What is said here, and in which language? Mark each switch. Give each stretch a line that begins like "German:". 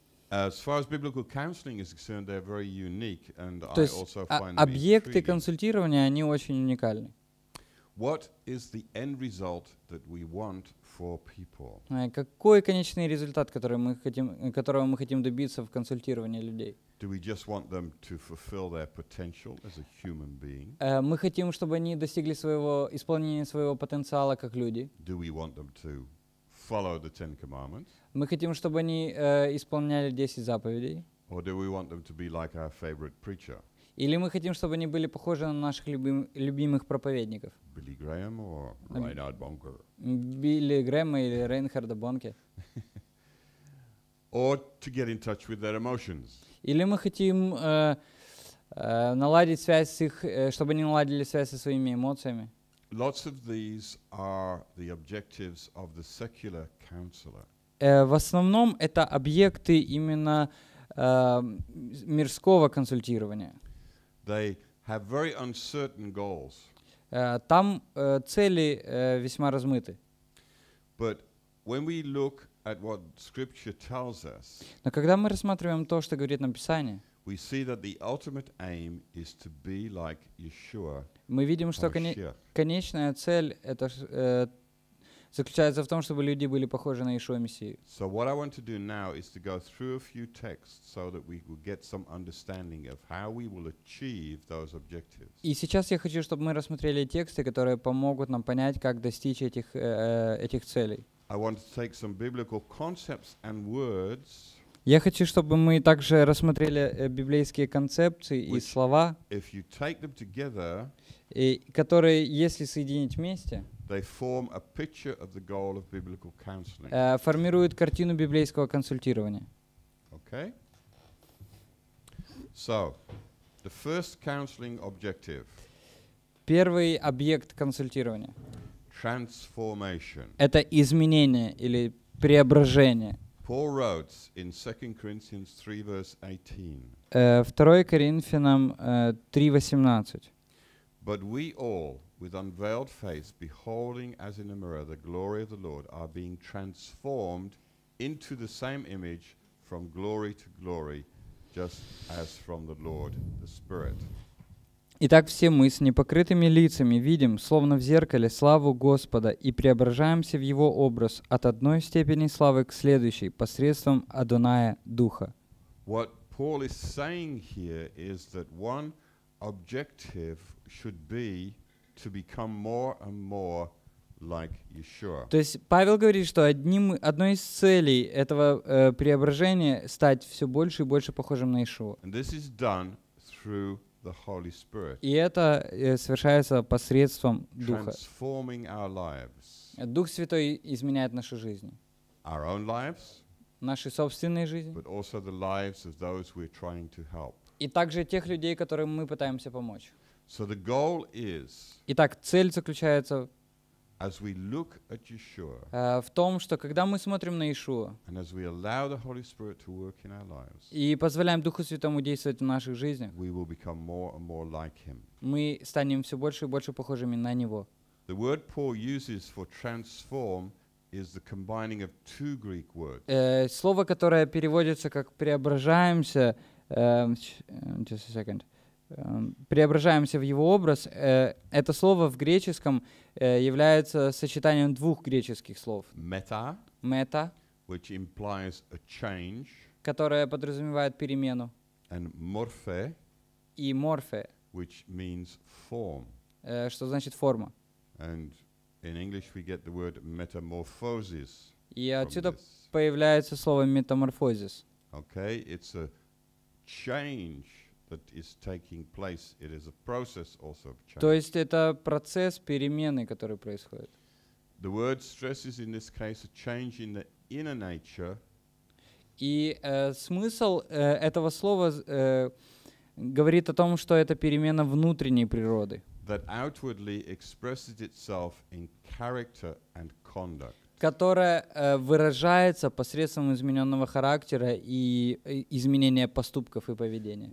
English: As far as biblical counseling is concerned, they're very unique, and I also find them
Russian: объекты консультирования они очень уникальны.
English: What is the end result that we want?
Russian: Какой конечный результат, которого мы хотим добиться в консультировании людей?
English: Do we just want them to fulfill their potential as a human being?
Russian: Мы хотим, чтобы они достигли своего исполнения своего потенциала как люди.
English: Do we want them to follow the Ten Commandments?
Russian: Мы хотим, чтобы они исполняли 10 заповедей.
English: Or do we want them to be like our favorite preacher?
Russian: Или мы хотим, чтобы они были похожи на наших любимых проповедников? Билли Грэм or Рейнхард Бонкер? Билли Грэма или Рейнхарда Бонке?
English: Or to get in touch with their emotions?
Russian: Или мы хотим наладить связь с их, чтобы они наладили связь со своими эмоциями?
English: Lots of these are the objectives of the secular counselor.
Russian: В основном это объекты именно мирского консультирования.
English: They have very uncertain goals.
Russian: Там цели весьма размыты.
English: But when we look at what Scripture tells us,
Russian: но когда мы рассматриваем то, что говорит нам Писание,
English: we see that the ultimate aim is to be like Yeshua.
Russian: Мы видим, что конечная цель это заключается в том, чтобы люди были похожи на Иешуа Мессию.
English: So what I want to do now is to go through a few texts so that we will get some understanding of how we will achieve those objectives.
Russian: И сейчас я хочу, чтобы мы рассмотрели тексты, которые помогут нам понять, как достичь этих целей.
English: I want to take some biblical concepts and words.
Russian: Я хочу, чтобы мы также рассмотрели библейские концепции и слова,
English: if you take them together,
Russian: и которые, если соединить вместе,
English: they form a picture of the goal of biblical counseling.
Russian: Формируют картину библейского консультирования.
English: Okay. So, the first counseling objective.
Russian: Первый объект консультирования.
English: Transformation.
Russian: Это изменение или преображение.
English: Paul wrote in 2 Corinthians 3 verse 18.
Russian: 2 Коринфянам 3:18.
English: But we all with unveiled face, beholding as in a mirror the glory of the Lord, are being transformed into the same image from glory to glory, just as from the Lord the Spirit.
Russian: Итак, все мы с непокрытыми лицами видим, словно в зеркале, славу Господа и преображаемся в Его образ от одной степени славы к следующей посредством Адоная Духа.
English: What Paul is saying here is that one objective should be to become more and more like Yeshua.
Russian: То есть Павел говорит, что одной из целей этого преображения стать все больше и больше похожим на Иешуа.
English: And this is done through the Holy Spirit.
Russian: И это совершается посредством Духа.
English: Transforming our lives.
Russian: Дух Святой изменяет наши жизни.
English: Our own lives.
Russian: Наши собственные жизни.
English: But also the lives of those we're trying to help.
Russian: И также тех людей, которым мы пытаемся помочь.
English: So the goal is.
Russian: Итак, цель заключается.
English: As we look at Yeshua.
Russian: В том, что когда мы смотрим на Иешуа.
English: And as we allow the Holy Spirit to work in our lives.
Russian: И позволяем Духу Святому действовать в наших жизнях.
English: We will become more and more like Him.
Russian: Мы станем все больше и больше похожими на Него.
English: The word Paul uses for transform is the combining of two Greek words.
Russian: Слово, которое переводится как преображаемся.
English: Just a second.
Russian: Преображаемся в его образ. Это слово в греческом является сочетанием двух греческих слов.
English: Meta,
Russian: meta,
English: which implies a change,
Russian: которое подразумевает перемену.
English: And morphe,
Russian: и morphe,
English: which means form.
Russian: Что значит форма?
English: And in English we get the word metamorphosis.
Russian: И отсюда появляется слово метаморфозис.
English: Okay, it's a change that is taking place. It is a process also of change.
Russian: То есть это процесс перемены, который происходит.
English: The word stresses in this case a change in the inner nature.
Russian: И смысл этого слова говорит о том, что это перемена внутренней природы.
English: That outwardly expresses itself in character and conduct.
Russian: Которая выражается посредством измененного характера и изменения поступков и поведения.